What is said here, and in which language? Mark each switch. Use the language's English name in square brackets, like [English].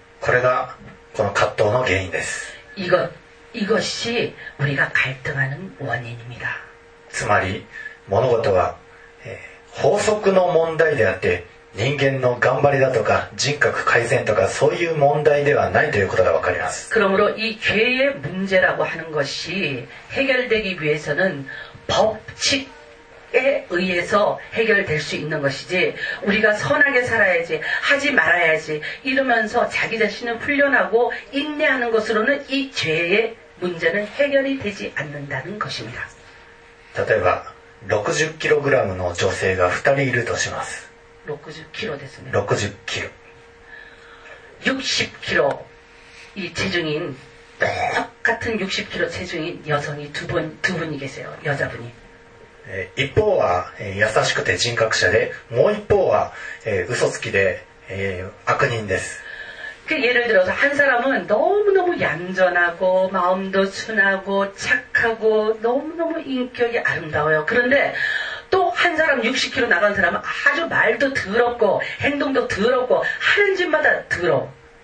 [Korean] 그래가그갈등의원인입니다 이것이우리가갈등하는원인입니다 [Japanese] つまり物事は法則の問題であって人間の頑張りだとか人格改善とかそういう問題ではないということがわかります [Korean] 그러므로이죄의문제라고하는것이해결되기위해서는법칙에의해서해결될수있는것이지우리가선하게살아야지하지말아야지이러면서자기자신을훈련하고인내하는것으로는이죄의문제는해결이되지않는다는것입니다 [Japanese] 例えば 60kg の女性が2人いるとします 60kg ですね 60kg [Korean] 이체중인똑같은 60kg 체중인여성이두분이계세요여자분이 [Japanese] 一方は優しくて人格者でもう一方は嘘つきで悪人です [Korean] 그예를들어서한사람은너무너무얌전하고마음도순하고착하고너무너무인격이아름다워요그런데또한사람 60kg 나간사람은아주말도더럽고행동도더럽고하는짓마다더러